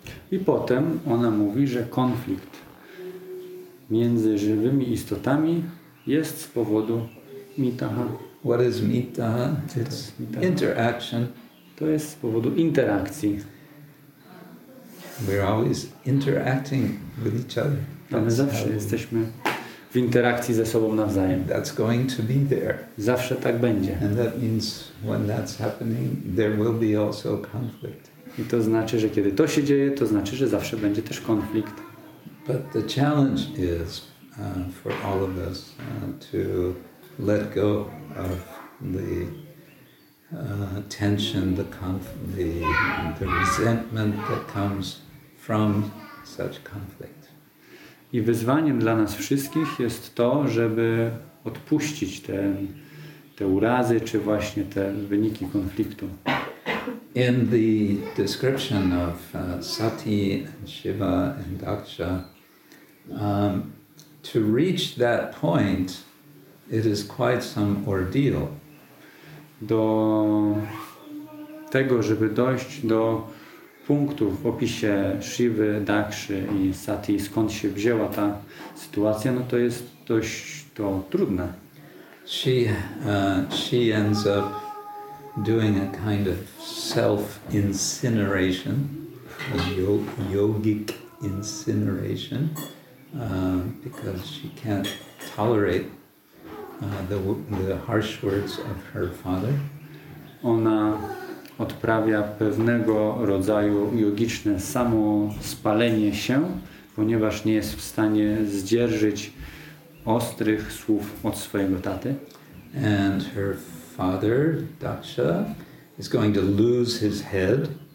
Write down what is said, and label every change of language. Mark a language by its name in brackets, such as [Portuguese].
[Polish] I potem ona mówi, że konflikt między żywymi istotami jest z powodu mita. [English] What is mita? It's mita. Interaction. [Polish] To jest z powodu interakcji. [English] We're always interacting with each other. [Polish] My zawsze jesteśmy w interakcji ze sobą nawzajem. [English] That's going to be there. [Polish] Zawsze tak będzie. [English] And that means when that's happening, there will be also conflict. [Polish] I to znaczy, że kiedy to się dzieje, to znaczy, że zawsze będzie też konflikt. [English] But the challenge is for all of us to let go of the tension, the conflict, the resentment that comes from such conflict. [Polish] I wyzwaniem dla nas wszystkich jest to, żeby odpuścić te urazy, czy właśnie te wyniki konfliktu. [English] In the description of Sati and Shiva and Daksha, to reach that point, it is quite some ordeal. [Polish] Do tego, żeby dojść do punktu w opisie Shivy, Dakshy i Sati, skąd się wzięła ta sytuacja, no to jest dość to trudne. [English] She ends up doing a kind of self-incineration, a yogic incineration, because she can't tolerate the harsh words of her father. [Polish] Ona odprawia pewnego rodzaju jogiczne samospalenie się, ponieważ nie jest w stanie zdzierżyć ostrych słów od swojego taty. [English] And her father, Daksha, is going to lose his head.